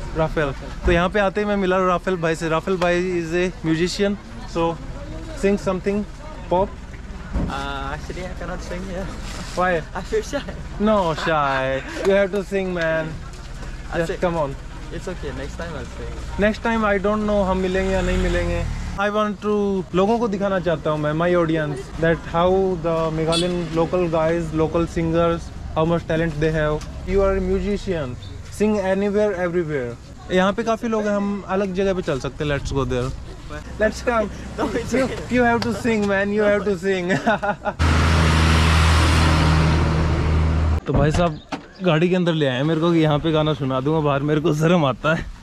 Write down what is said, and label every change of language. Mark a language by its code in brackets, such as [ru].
[hi] Rafale, तो यहाँ पे आते ही मैं मिला राफेल भाई से। राफेल भाई [en] Is a musician, so sing something pop. Actually I cannot sing here. Why? I feel shy. No shy, you have to sing man, just come on. It's okay, next time I will sing. Next time I don't know, [hi] हम मिलेंगे या नहीं मिलेंगे। [en] I want to [hi] लोगों को दिखाना चाहता हूँ मैं, [en] my audience, that how the Meghalayan local guys, local singers, how much talent they have. You are a musician, sing anywhere, everywhere. [hi] यहाँ पे काफी लोग हैं, हम अलग जगह पे चल सकते हैं। [en] Let's go there. Let's come. You have to sing, man. You have to sing. [hi] तो भाई साहब गाड़ी के अंदर ले आए मेरे को कि यहाँ पे गाना सुना दूंगा, बाहर मेरे को शर्म आता है।